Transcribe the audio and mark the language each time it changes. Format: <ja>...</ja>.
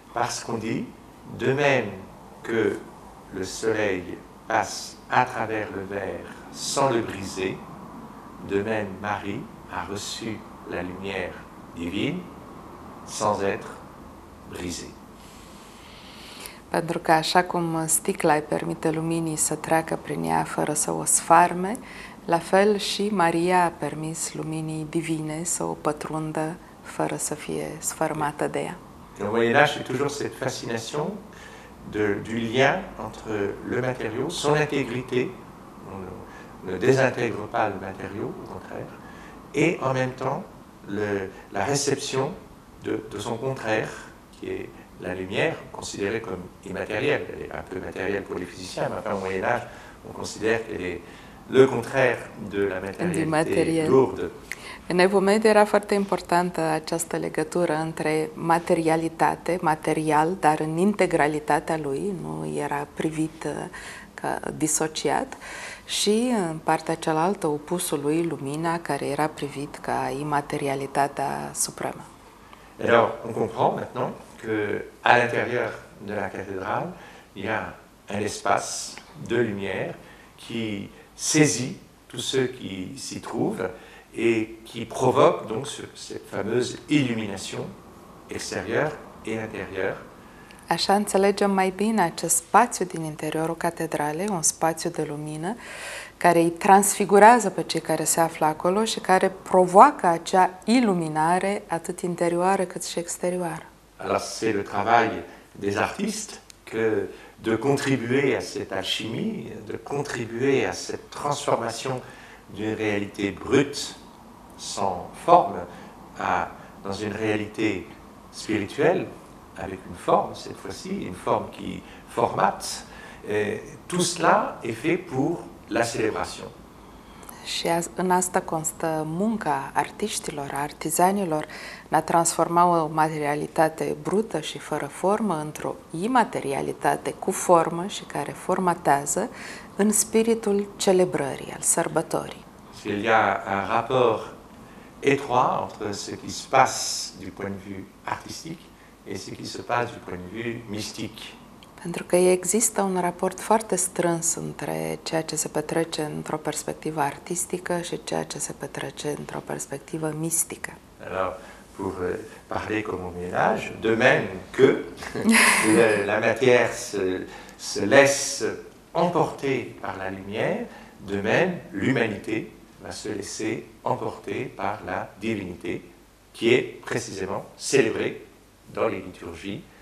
<fr>Parce qu'on dit, de même que le soleil passe à travers le verre sans le briser, de même Marie a reçu la lumière divine sans être brisée.</fr> <ro>Pentru că așa cum sticla îi permite luminii să treacă prin ea fără să o sfarme, la fel și Maria a permis luminii divine să o pătrundă fără să fie sfărmată de ea.</ro> <fr>În Moyen-Âge, c'est toujours cette fascination du lien entre le matériau, son intégrité, on ne désintègre pas le matériau, au contraire, et en même temps, la réception de son contraire, qui est la lumière, considérée comme immatérielle, elle est un peu matérielle pour les physiciens, mais enfin, au Moyen-Âge, on considère qu'elle est le contraire de la matérialité lourde.</fr> <ro>În Evomed era foarte importantă această legătură între materialitate, material, dar în integralitatea lui, nu era privit ca disociat, și în partea cealaltă, opusul lui, lumina, care era privit ca imaterialitatea supremă.</ro> <fr>Alors, on comprend maintenant que à l'intérieur de la cathédrale, il y a un espace de lumière qui saisit tous ceux qui s'y trouvent et qui provoque donc cette fameuse illumination extérieure et intérieure.</fr> <ro>Așa înțelegem mai bine acest spațiu din interiorul catedralei, un spațiu de lumină care îi transfigurează pe cei care se află acolo și care provoacă acea iluminare atât interioară cât și exterioară.</ro> <fr>Alors c'est le travail des artistes que de contribuer à cette alchimie, de contribuer à cette transformation d'une réalité brute sans forme à dans une réalité spirituelle, avec une forme cette fois-ci, une forme qui formate. Et tout cela est fait pour la célébration.</fr> <ro>Și în asta constă munca artiștilor, artizanilor, în a transforma o materialitate brută și fără formă într-o imaterialitate cu formă și care formatează în spiritul celebrării, al sărbătorii.</ro> <fr>S'il y a un rapport étroit entre ce qui se passe du point de vue artistique et ce qui se passe du point de vue mystique.</fr> <ro>Pentru că există un raport foarte strâns între ceea ce se petrece într-o perspectivă artistică și ceea ce se petrece într-o perspectivă mistică.</ro> <fr>Alors, pour parler comme au ménage, de même que la matière se laisse emporter par la lumière, de même l'humanité va se laisser emporter par la divinité qui est précisément célébrée dans les liturgies.</fr>